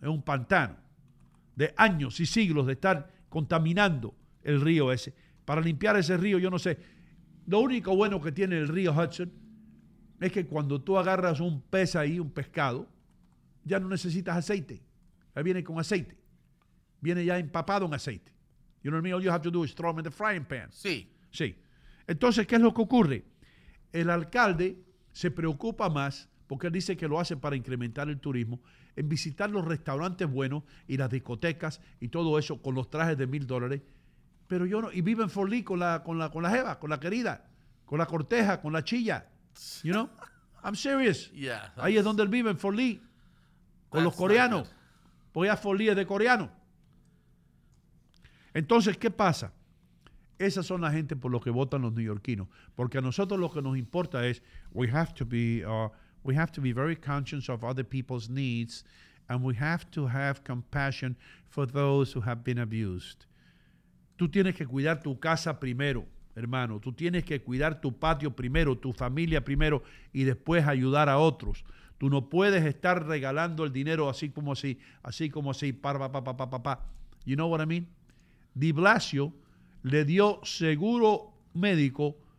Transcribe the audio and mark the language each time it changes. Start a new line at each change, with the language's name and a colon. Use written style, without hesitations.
Spanish: Es un pantano de años y siglos de estar contaminando el río ese. Para limpiar ese río, yo no sé. Lo único bueno que tiene el río Hudson es que cuando tú agarras un pez ahí, un pescado, ya no necesitas aceite. Ahí viene con aceite. Viene ya empapado en aceite.
English: You know what I mean? All you have to do is throw them in the frying pan.
Spanish: Sí. Sí. Entonces, ¿qué es lo que ocurre? El alcalde se preocupa más, porque él dice que lo hace para incrementar el turismo, en visitar los restaurantes buenos y las discotecas y todo eso con los trajes de $1,000. Pero yo no. Y vive en Fort Lee con la jeva, con la querida, con la corteja, con la chilla.
English: You know? I'm serious. Yeah.
Spanish: Ahí es donde él vive, en Fort Lee. Con los coreanos. Porque ya Fort Lee es de coreano. Entonces, ¿qué pasa? Esas son la gente por los que votan los neoyorquinos. Porque a nosotros lo que nos importa es
English: we have to be very conscious of other people's needs and we have to have compassion for those who have been abused.
Spanish: Tú tienes que cuidar tu casa primero, hermano. Tú tienes que cuidar tu patio primero, tu familia primero y después ayudar a otros. Tú no puedes estar regalando el dinero así como así, pa.
English: You know what I mean?
Spanish: De Blasio le dio seguro médico.